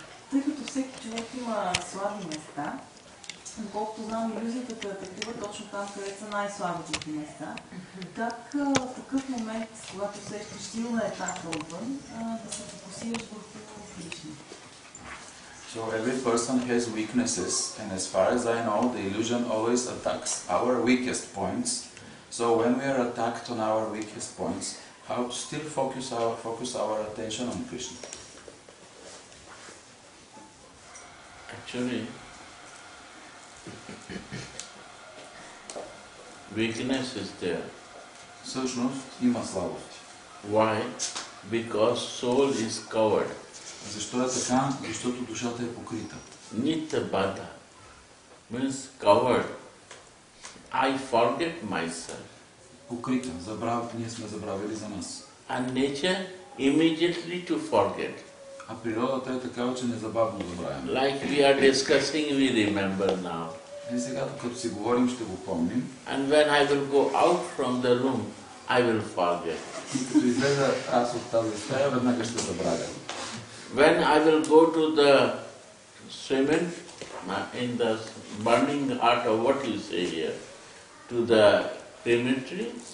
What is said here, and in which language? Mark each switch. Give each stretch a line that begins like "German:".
Bulgarian: Тъй като всеки човек има слаби места, колкото знам, иллюзията е атакува точно там, където са най-слабите ти места. Как в такъв момент, когато усещаш силна етапа отвън, да се фокусираш върху Кришна?
English: So every person has weaknesses, and as far as I know, the illusion always attacks our weakest points. So when we are attacked on our weakest points, how to still focus our attention on Krishna? Actually, weakness is there.
Bulgarian: Същност има слабост.
English: Why? Because soul is covered.
Bulgarian: Защо е така? Защото душата е покрита.
English: Nitya bada means covered. I forget myself.
Bulgarian: Покрита. Ние сме забравили за нас.
English: And nature immediately to forget.
Bulgarian: А природата е такава, че незабавно забравяме.
English: Like we are discussing, we remember now.
Bulgarian: И сега, като си говорим, ще го помним.
English: And when I will go out from the room, I will forget.
Bulgarian: И като излеза аз от тази стая, веднага ще забравям.
English: When I will go to the cement, in the burning heart of what you say here, to the cemetery.